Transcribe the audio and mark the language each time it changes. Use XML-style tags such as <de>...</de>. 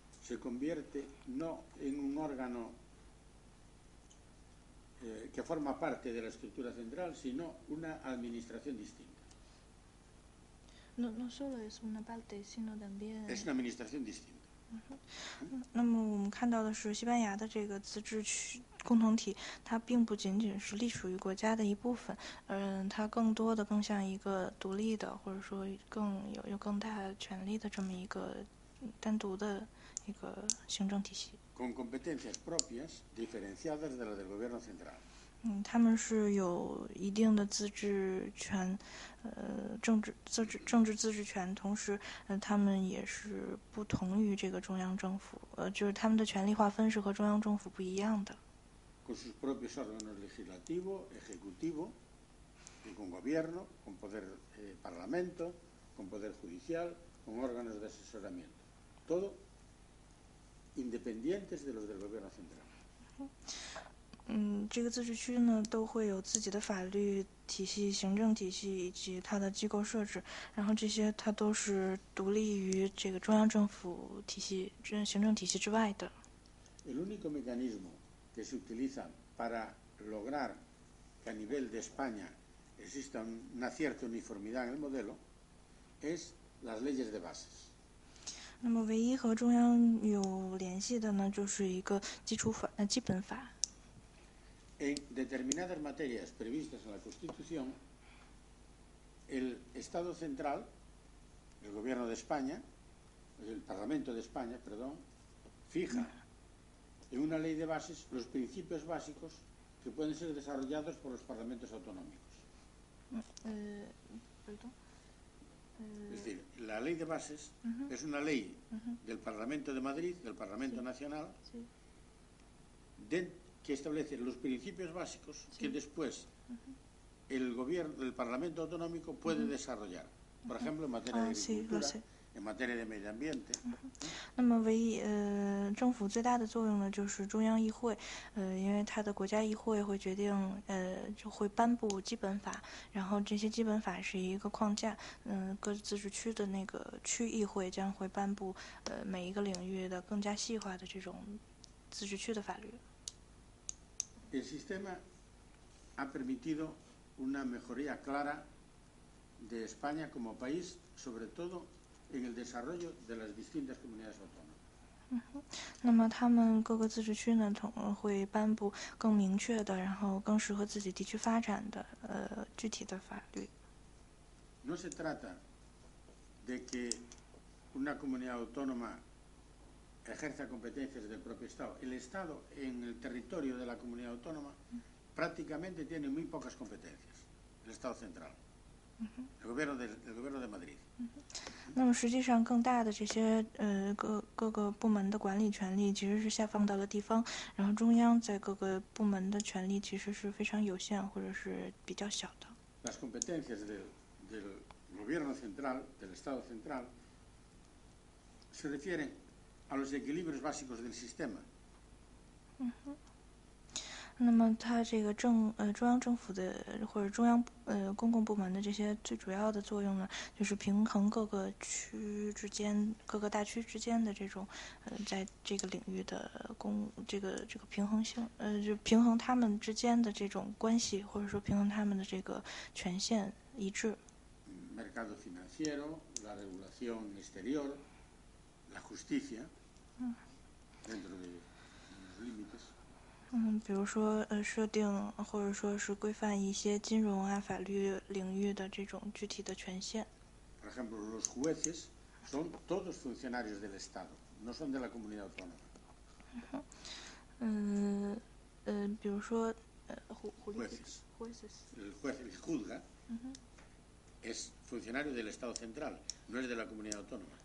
<es>Se convierte no en un órgano que forma parte de la estructura central, sino una administración distinta. No solo es una parte, sino también. Es una administración distinta.</es> <zh>那么我们看到的是，西班牙的这个自治区共同体，它并不仅仅是隶属于国家的一部分，它更多的更像一个独立的，或者说更有更大权力的这么一个单独的一个行政体系。</zh> <es>Con competencias propias diferenciadas de las del gobierno central.</es> <zh>嗯，他们是有一定的自治权，政治自治权，同时，他们也是不同于这个中央政府，就是他们的权力划分是和中央政府不一样的。</zh> <es>Con sus propios órganos legislativo, ejecutivo, y con gobierno, con poder parlamento, con poder judicial, con órganos de asesoramiento. Todo independientes de los del gobierno central.</es> <zh>这个自治区呢都会有自己的法律体系、行政体系以及它的机构设置，然后这些它都是独立于这个中央政府体系、行政体系之外的。</zh> <es>El único mecanismo que se utiliza para lograr que a nivel de España exista una cierta uniformidad en el modelo es las leyes de bases。</es> <zh>那么唯一和中央有联系的呢，就是一个基础法、基本法。</zh> <es>En determinadas materias previstas en la Constitución, el Estado central, el Gobierno de España, el Parlamento de España, perdón, fija en una ley de bases los principios básicos que pueden ser desarrollados por los parlamentos autonómicos. Es decir, la ley de bases es una ley del Parlamento de Madrid, del Parlamento Nacional, que establece los principios básicos que después el gobierno, el Parlamento Autonómico puede desarrollar. Por ejemplo, en materia de agricultura, sí, en materia de medio ambiente.</es> <zh>那么唯一政府最大的作用呢，就是中央议会，因为它的国家议会会决定，就会颁布基本法，然后这些基本法是一个框架，各自治区的那个区议会将会颁布，每一个领域的更加细化的这种自治区的法律。</zh> <es>El sistema ha permitido una mejoría clara de España como país, sobre todo en el desarrollo de las distintas comunidades autónomas.</es> <zh>那么他们各个自治区呢，会颁布更明确的，然后更适合自己地区发展的具体的法律。</zh> <es>No se trata de que una comunidad autónoma ejerza competencias del propio Estado. El Estado en el territorio de la comunidad autónoma prácticamente tiene muy pocas competencias. El Estado central, el gobierno de Madrid.</es> <zh>那么实际上更大的这些各个部门的管理权力其实是下放到了地方，然后中央在各个部门的权力其实是非常有限或者是比较小的。</zh> <es>Las competencias del gobierno central, del Estado central, se refieren a los equilibrios básicos del sistema.</es> <zh>那么它这个中央政府的或者中央公共部门的这些最主要的作用呢，就是平衡各个区之间、各个大区之间的这种在这个领域的这个平衡性，就平衡他们之间的这种关系，或者说平衡他们的这个权限一致。</zh> <es>Mercado financiero, la regulación exterior, la justicia. Dentro de los límites.</es> <zh>比如说设定或者说是规范一些金融啊法律领域的这种具体的权限。</zh> <es>Por ejemplo, los jueces son todos funcionarios del Estado, no son de la comunidad autónoma.</es> <zh>比如说</zh> <es>jueces. El juzga es funcionario del Estado central, no es de la comunidad autónoma.</es>